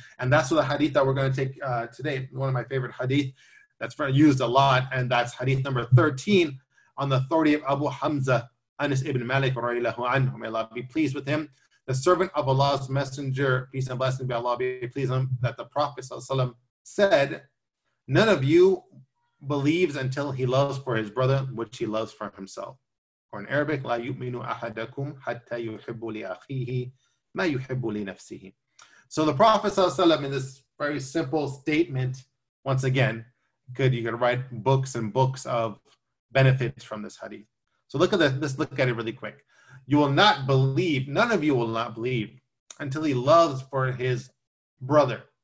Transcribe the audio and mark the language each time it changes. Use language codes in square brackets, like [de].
[en] And that's what the hadith that we're going to take today, one of my favorite hadith that's used a lot, and that's hadith number 13 on the authority of Abu Hamza Anas ibn Malik, may Allah be pleased with him. the servant of Allah's messenger, peace and blessings be Allah, be pleased him, that the Prophet said, none of you believes until he loves for his brother, which he loves for himself. Or in Arabic, [ar] لا يؤمن أحدكم حتى يحب لأخيه ما يحب لنفسه. [en] So the Prophet in this very simple statement, once again, you could write books and books of benefits from this hadith. So look at this, let's look at it really quick. You will not believe, none of you will not believe until he loves for his brother.